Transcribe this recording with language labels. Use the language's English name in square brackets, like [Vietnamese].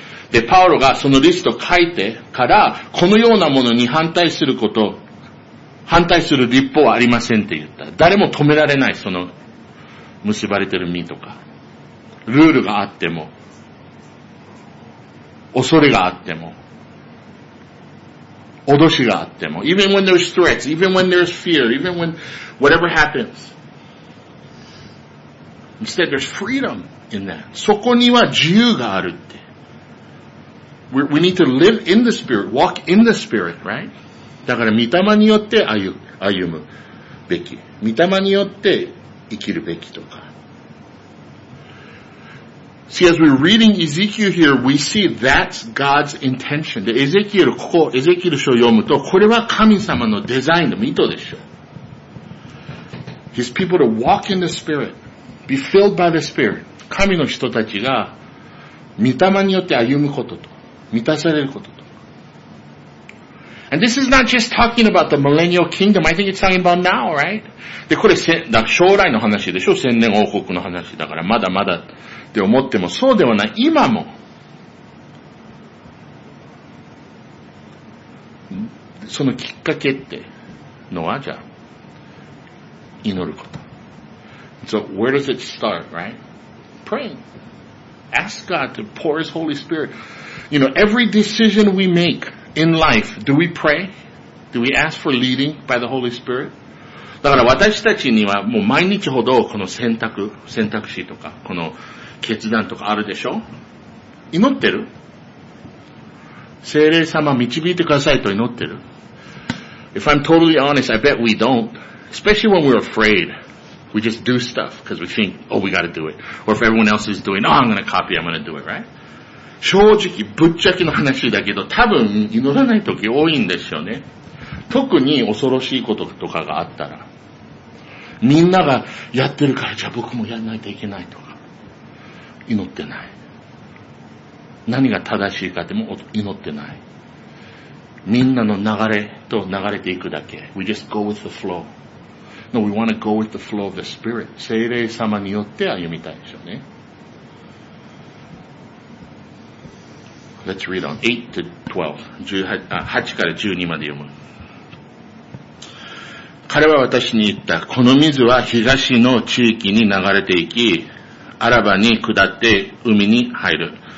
[Japanese] で、パウロがそのリストを書いてから、このようなものに反対すること、反対する立法はありませんって言った。誰も止められない、その、結ばれてる身とか。ルールがあっても、恐れがあっても、脅しがあっても、 [English] even when there's threats, even when there's fear, even when whatever happens. Instead, there's freedom in that. [Japanese] そこには自由があるって。 [English] We need to live in the Spirit, walk in the Spirit, right? [Japanese] だから御霊によって歩むべき。御霊によって生きるべきとか。 [English] See, as we're reading Ezekiel here, we see that's God's intention. [Japanese] で、エゼキエル書を読むと、これは神様のデザインの意図でしょ。 [English] His people to walk in the Spirit, be filled by the Spirit. [Japanese] 神の人たちが御霊によって歩むことと。満たされることと。 [English] And this is not just talking about the millennial kingdom. I think it's talking about now, right? [Japanese] で、これ、だから将来の話でしょ？千年王国の話だから、まだまだって思っても、そうではない。今も。そのきっかけってのは、じゃあ、祈ること。 [English] So, where does it start, right? Pray. Ask God to pour His Holy Spirit. You know, every decision we make in life, do we pray? Do we ask for leading by the Holy Spirit? [Japanese] だから私たちにはもう毎日ほどこの選択肢とか、この決断とかあるでしょ？祈ってる？聖霊様導いてくださいと祈ってる？ [English] If I'm totally honest, I bet we don't. Especially when we're afraid. We just do stuff because we think, oh, we gotta do it. Or if everyone else is doing, oh, I'm gonna copy, I'm gonna do it, right? [Japanese] 正直、ぶっちゃけの話だけど、多分、祈らない時多いんですよね。特に恐ろしいこととかがあったら。みんながやってるから、じゃあ僕もやらないといけないとか。祈ってない。何が正しいかでも祈ってない。みんなの流れと流れていくだけ。 [English] We just go with the flow. No, we want to go with the flow of the Spirit. [Japanese] 聖霊様によって歩みたいでしょうね。 [English] Let's read on. [Japanese] 8 から12まで読む。彼は私に言った。この水は東の地域に流れていき、アラバに下って海に入る。